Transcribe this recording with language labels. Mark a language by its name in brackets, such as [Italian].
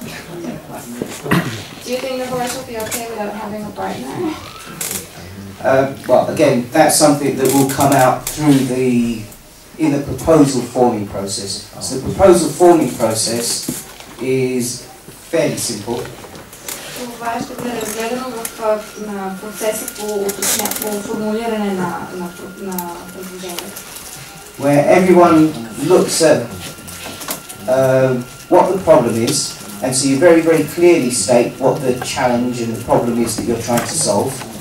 [English] Do you think the horse will be okay without having a partner? Well, again, that's something that will come out through the proposal forming process. So the proposal forming process is fairly simple. [Bulgarian] Това ще бъде разгледано в процеса по формулиране на предложението. [English] Where everyone looks at what the problem is, and so you very, very clearly state what the challenge and the problem is that you're trying to solve.